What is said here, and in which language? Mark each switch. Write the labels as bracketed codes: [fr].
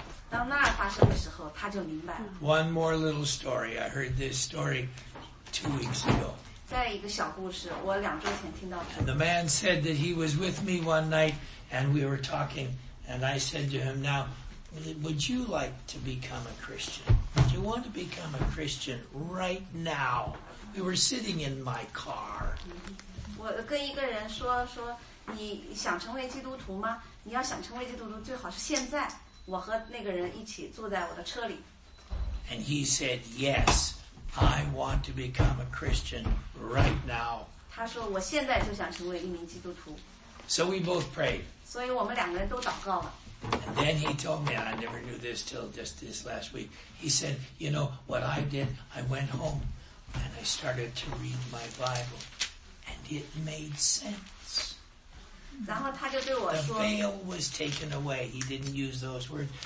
[zh] 当那儿发生的时候，他就明白了。 [en] One more little story. I heard this story 2 weeks ago. [zh] 再一个小故事，我两周前听到的。 [en] And the man said that he was with me one night, and we were talking, and I said to him, "Now, would you like to become a Christian? Do you want to become a Christian right now?" We were sitting in my car. [zh] 我跟一个人说。你想成为基督徒吗？你要想成为基督徒，最好是现在。我和那个人一起坐在我的车里。 [en] And he said, "Yes, I want to become a Christian right now." [zh] 他说我现在就想成为一名基督徒。 [en] So we both prayed. [zh] 所以我们两个人都祷告了。 [en] And then he told me, I never knew this till just this last week. He said, "You know what I did? I went home and I started to read my Bible, and it made sense." The veil was taken away. He didn't use those words.